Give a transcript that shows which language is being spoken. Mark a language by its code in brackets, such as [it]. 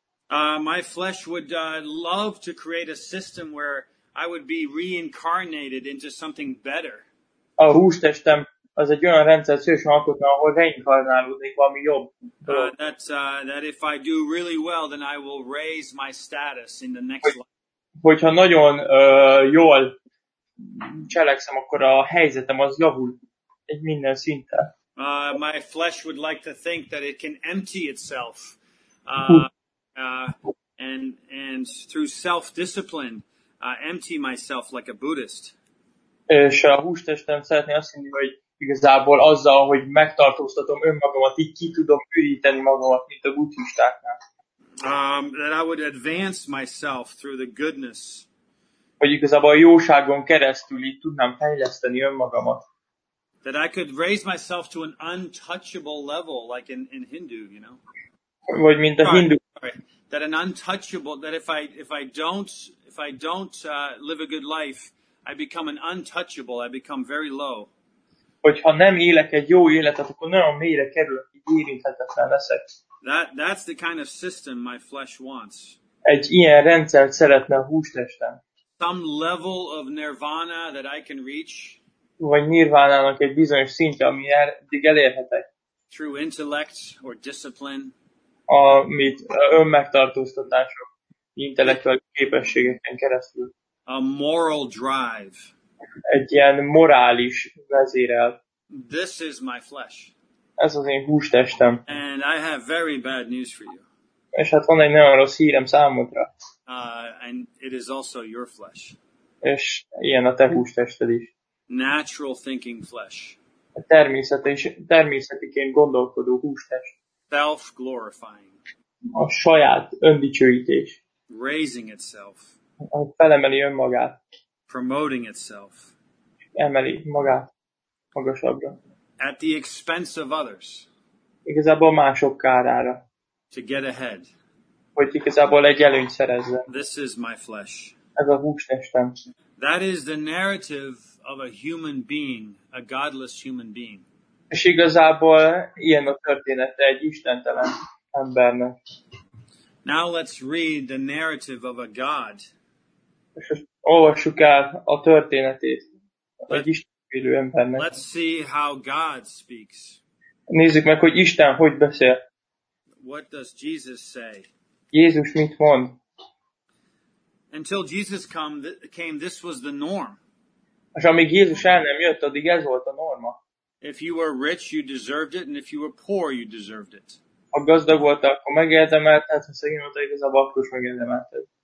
[en] My flesh would love to create a system where I would be reincarnated into something better. [hu] A hústestem az egy olyan rendszer szívesen alkotna, ahol reinkarnálódnék valami jobb. [en] That if I do really well, then I will raise my status in the next life. [hu] Hogyha nagyon jól cselekszem, akkor a helyzetem az javul egy minden szinten. [en] My flesh would like to think that it can empty itself. And through self-discipline, empty myself like a Buddhist. [hu] És a hústestem szeretné azt mondani, hogy igazából azzal, hogy megtartóztatom önmagamat, így ki tudom üríteni magamat, mint a buddhistáknál. [en] That I would advance myself through the goodness. [hu] Hogy igazából a jóságon keresztül így tudnám fejleszteni önmagamat. [en] That I could raise myself to an untouchable level, like in Hindu, you know. [hu] Vagy mint a hindu. [en] That an untouchable, that if I don't live a good life, I become an untouchable, I become very low. [hu] Hogyha nem élek egy jó életet, akkor nagyon mélyre kerülök, így érinthetetlen leszek. [en] That's the kind of system my flesh wants. [hu] Egy ilyen rendszert szeretne a hústestem. [en] Some level of nirvana that I can reach. [hu] Vagy nirvánának egy bizonyos szintje, ami eddig elérhetek. [en] Through intellect or discipline. [hu] Amit önmegtartóztatások, intellektuális képességeken keresztül. [en] A moral drive. [hu] Egy ilyen morális vezérel. [en] This is my flesh. [hu] Ez az én hústestem. [en] And I have very bad news for you. [hu] És hát van egy nagyon rossz hírem számodra. [en] And it is also your flesh. [hu] és ilyen a te hústested is. [en] Natural thinking flesh. [hu] A természetiként gondolkodó hústest. [en] Self-glorifying. [hu] A saját öndicsőítés. [en] Raising itself. [hu] Felemeli önmagát. [en] Promoting itself. [hu] Emeli magát magasabbra. [en] At the expense of others. [hu] Igazából mások kárára. [en] To get ahead. [hu] Hogy igazából egy előnyt szerezzen. [en] This is my flesh. [hu] Ez a hústestem. [en] That is the narrative of a human being, a godless human being. [hu] És igazából ilyen a története egy istentelen embernek. [en] Now let's read the narrative of a God. [hu] Olvassuk el a történetét egy istenélő embernek. [en] Let's see how God speaks. [hu] Nézzük meg, hogy Isten hogy beszél. [en] What does Jesus say? [hu] Jézus mit mond? [en] Until Jesus came, this was the norm. [hu] És amíg Jézus el nem jött, addig ez volt a norma. [en] If you were rich, you deserved it, and if you were poor, you deserved it. [hu] Ha gazdag volt, akkor megérdemelted, ha szegény volt, igazából akkor is megérdemelted.